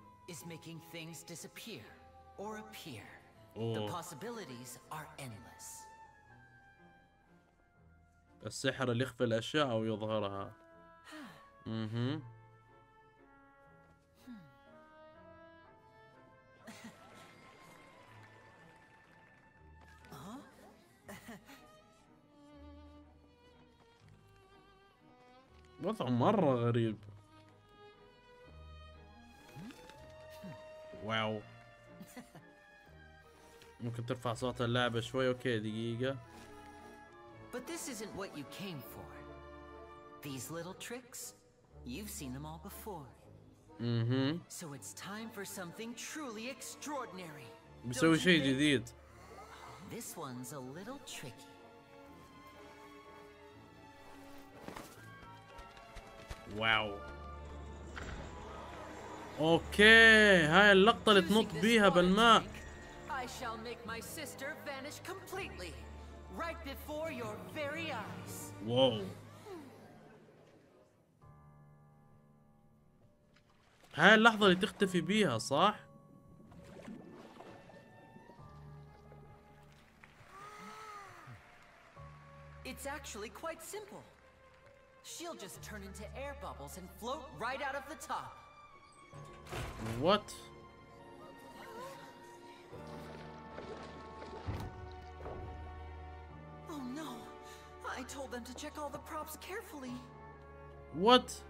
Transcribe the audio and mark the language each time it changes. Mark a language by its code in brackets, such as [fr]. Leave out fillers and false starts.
[en] Is making things disappear or appear. The possibilities are endless. [ar] السحر اللي يخفي الاشياء او يظهرها. اها وضع مرة غريب. واو ممكن ترفع صوت اللعبة شوي. اوكي دقيقة. [en] But this isn't what you came for. These little tricks, you've seen them all before. Mm-hmm. So it's time for something truly extraordinary. [ar] بسوي شيء جديد. [en] This one's a little tricky. Wow. [ar] Okay, هاي اللقطة اللي تنط بيها بالماء. [en] I shall make my sister vanish completely. Right before your very eyes. Whoa. [ar] هاي اللحظة اللي تختفي بيها صح؟ [en] It's actually quite simple. She'll just turn into air bubbles and float right out of the top. What? Oh no. I told them to check all the props carefully. What?